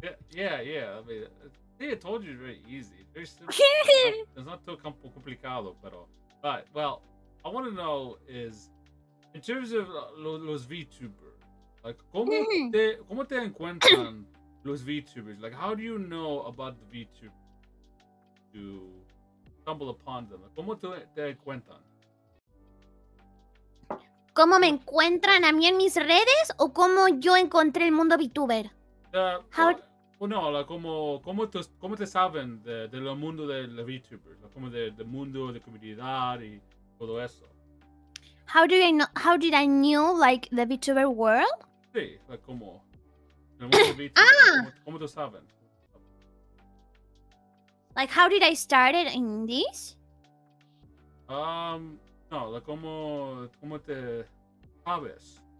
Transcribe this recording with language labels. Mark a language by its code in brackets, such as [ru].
[en] Yeah. I told you it's very easy. It's not too complicado, but well, I want to know is in terms of los VTubers, like [es] cómo te encuentran los VTubers? [en] Like, how do you know about the VTubers? Stumble upon them. [es] ¿Cómo te encuentran? ¿Cómo me encuentran a mí en mis redes o cómo yo encontré el mundo VTuber? ¿Cómo te saben de lo mundo de los VTubers? ¿Cómo de mundo de comunidad y todo eso? [en] How did I know like the VTuber world? [es] Sí, [en] like [es] cómo. El mundo de VTuber. ¿Cómo te saben? [en] Like, how did I start it in this? [es] No, [en] like, [es] ¿cómo te sabes?